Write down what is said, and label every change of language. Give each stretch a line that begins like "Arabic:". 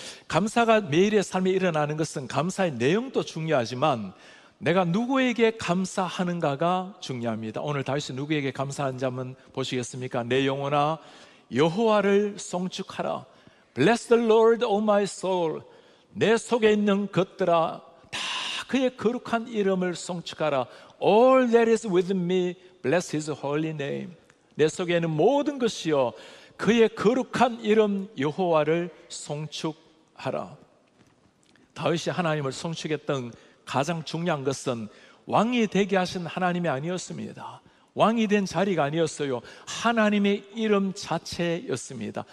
Korean: 감사가 매일의 삶에 일어나는 것은 감사의 내용도 중요하지만 내가 누구에게 감사하는가가 중요합니다. 오늘 다윗이 누구에게 감사하는지 한번 보시겠습니까? 내 영혼아 여호와를 송축하라.
English: Bless the Lord, O my soul.
Korean: 내 속에 있는 것들아 다 그의 거룩한 이름을 송축하라.
English: All that is within me, bless his holy name.
Korean: 내 속에 있는 모든 것이여 그의 거룩한 이름 여호와를 송축하라. 다윗이 하나님을 송축했던 가장 중요한 것은 왕이 되게 하신 하나님이 아니었습니다. 왕이 된 자리가 아니었어요. 하나님의 이름 자체였습니다.